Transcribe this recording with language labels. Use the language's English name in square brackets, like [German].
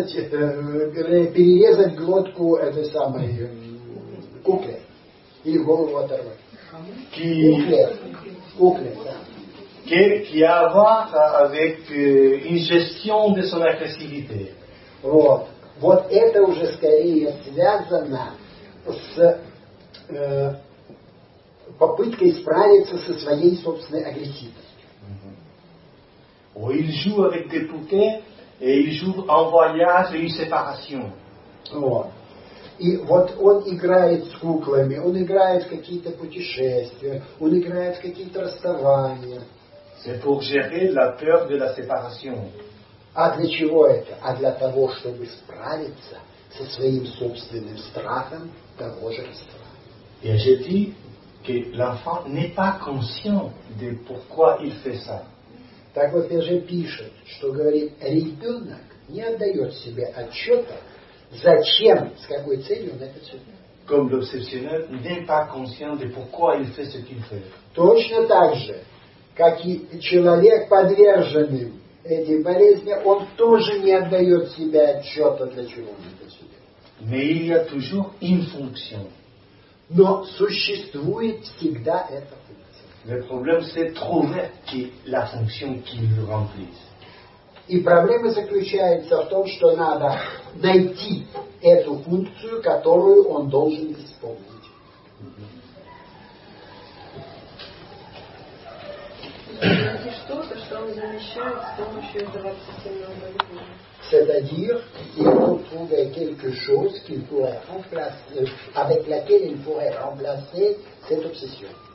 [Russian] Перерезать глотку этой самой кукле. Или голову оторвать. Кукле, да. [French] Qui a à voir avec une gestion de son agressivité. [Russian] Вот. Вот это уже скорее связано с попыткой справиться со своей собственной агрессивностью. [French] Il joue avec des poupées. Et il joue en voyage et une séparation. [Russian] Вот. И вот он играет с куклами, он играет в какие-то путешествия, он играет в какие-то расставания. [French] C'est pour gérer la peur de la séparation. [Russian] А для чего это? А для того, чтобы справиться со своим собственным страхом того же расставания. [French] Et je dis que l'enfant n'est pas conscient de pourquoi il fait ça. [Russian] Так вот, Пиаже пишет, что говорит, ребенок не отдает себе отчета, зачем, с какой целью он это все делает. [French] Comme l'obsessionnel n'est pas conscient de pourquoi il fait ce qu'il fait. [Russian] Точно так же, как и человек, подверженный этой болезни, он тоже не отдает себе отчета, для чего он это все делает. [French] Mais il y a toujours une fonction. [Russian] Но существует всегда это. [French] Le problème, c'est trouver la fonction qui le remplit. [Russian] И проблема заключается в том, что надо найти эту функцию, которую он должен исполнить. Найти что-то, что он замещает с помощью этого обсессивного поведения. [French] C'est-à-dire, il faut trouver quelque chose qu'il pourrait remplacer, avec laquelle il pourrait remplacer cette obsession.